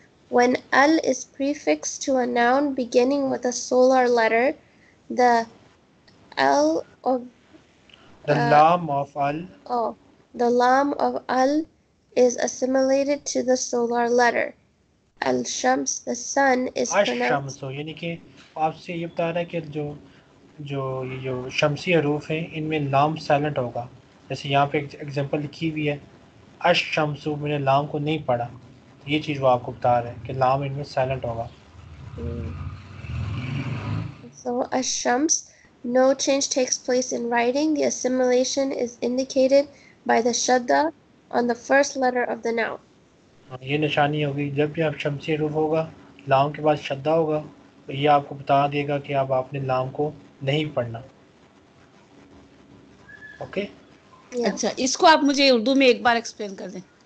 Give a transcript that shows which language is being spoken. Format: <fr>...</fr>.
<en>When L is prefixed to a noun beginning with a solar letter, the L of the lam of al. Oh, the lam of al is assimilated to the solar letter. Al shams, the sun, is pronounced. Ash shamso.</en> <ur>یعنی کہ آپ سے یہ بتا رہا ہے کہ جو جو جو شمسی حروف ہیں ان میں لام سائلنٹ ہوگا. جیسے یہاں پہ ایک ایگزامپل لکھی ہوئی ہے اش شمسو، میں نے لام کو نہیں پڑھا، یہ چیز وہ آپ کو بتا رہا ہے کہ لام ان میں سائلنٹ ہوگا.</ur> <en>So ash shams. No change takes place in writing. The assimilation is indicated by the shadda on the first letter of the noun.</en> <ur>یہ نشانی ہوگی جب بھی آپ شمسی حروف ہوگا لام کے بعد شدہ ہوگا، یہ آپ کو بتا دے گا کہ آپ اپنے لام کو نہیں پڑھنا. اوکے اچھا اس کو آپ مجھے اردو میں ایک بار ایکسپلین کر دیں.</ur>